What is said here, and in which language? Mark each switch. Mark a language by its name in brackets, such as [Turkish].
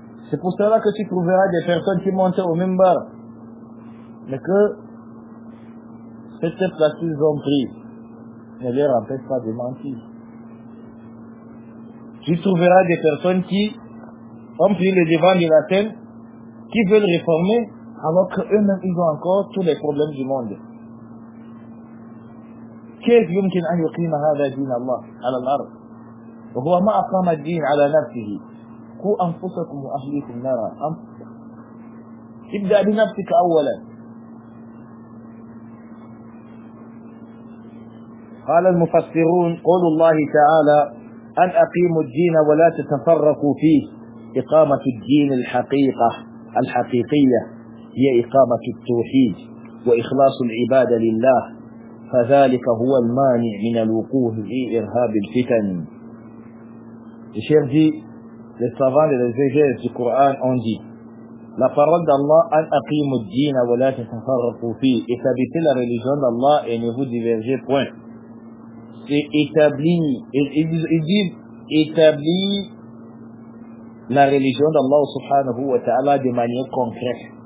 [French] C'est pour cela que tu trouveras des personnes qui montent au minbar, mais que cette place qu'ils ont prise ne leur empêche pas de mentir. Tu trouveras des personnes qui ont pris le devant de la scène, qui veulent réformer, alors qu'eux-mêmes, ils ont encore tous les problèmes du monde. [Arabic] كيف يمكن أن يقيم هذا دين الله على الأرض وهو ما أقام الدين على نفسه؟ كو أنفسكم وأهليكم نارا. ابدأ بنفسك أولا. قال المفسرون قول الله تعالى أن أقيموا الدين ولا تتفرقوا فيه، إقامة الدين الحقيقة الحقيقية هي إقامة التوحيد وإخلاص العبادة لله، فذلك هو المانع من الوقوع في إرهاب الفتن. الشيخ دي [French] les savants et les exégètes du Coran ont dit la parole d'Allah [Arabic] an aqimu ad-din wa la tatafarraqu fi, [French] établissez la religion d'Allah et ne vous divergez point. C'est établi, ils disent établi la religion d'Allah subhanahu wa ta'ala de manière concrète.